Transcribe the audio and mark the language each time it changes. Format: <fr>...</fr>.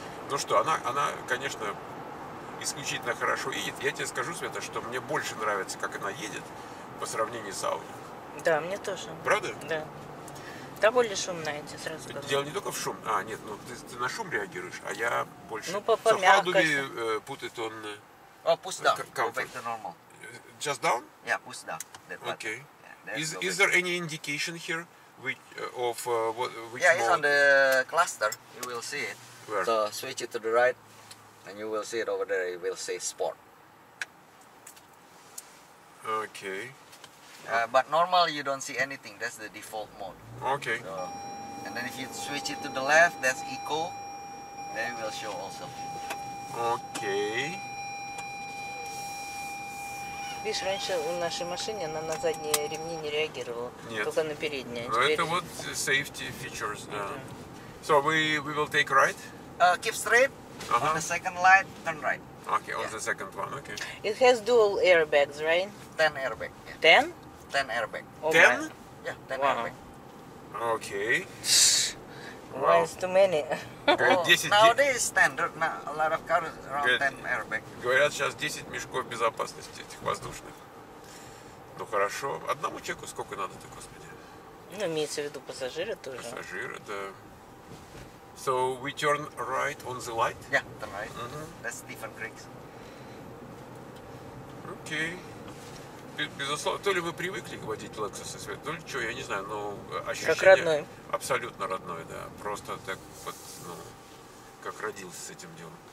<ru>Ну что, она, конечно, исключительно хорошо едет. Я тебе скажу, Света, что мне больше нравится, как она едет по сравнению с Audi. Да, мне тоже. Правда? Да. Довольно шумная, я тебе сразу говорю. Дело не только в шум. А, нет, ну ты на шум реагируешь, а я больше. Ну, по мягкости.</ru> <en>So, how do we put it on push down, go back to normal. Just down? Yeah, push down. Okay. Yeah, is there any indication here which, of what, which yeah, mode? It's on the cluster, you will see it. Where? So, switch it to the right, and you will see it over there, it will say sport. Okay. But normally you don't see anything, that's the default mode. Okay. So, and then if you switch it to the left, that's eco, then it will show also. Okay.</en> <ru>Видишь, раньше у нашей машины она на задние ремни не реагировала. Нет. Только на передние. Но теперь... это вот safety features, да.</ru> <en>Uh-huh. So we will take right? Keep straight, uh-huh. On the second light, turn right. Okay, on yeah. The second one, okay. It has dual airbags, right? 10 airbags. Yeah. 10? 10 airbag. Oh, 10? Yeah, 10 wow. Airbag. Okay. Why wow. Is too many? Oh, nowadays it's standard. Now, a lot of cars around 10 airbag.</en> <ru>Говорят, сейчас 10 мешков безопасности этих воздушных. Ну хорошо. Одному человеку сколько надо-то, господи? Ну, имеется в виду пассажиры тоже. Пассажиры, да.</ru> <en>So, we turn right on the light? Yeah, turn right. Mm-hmm. That's different brakes. Okay.</en> <ru>Безусловно, то ли мы привыкли водить Lexus, то ли что, я не знаю, но ощущение... Как родной. Абсолютно родной, да. Просто так вот, ну, как родился с этим делом.</ru>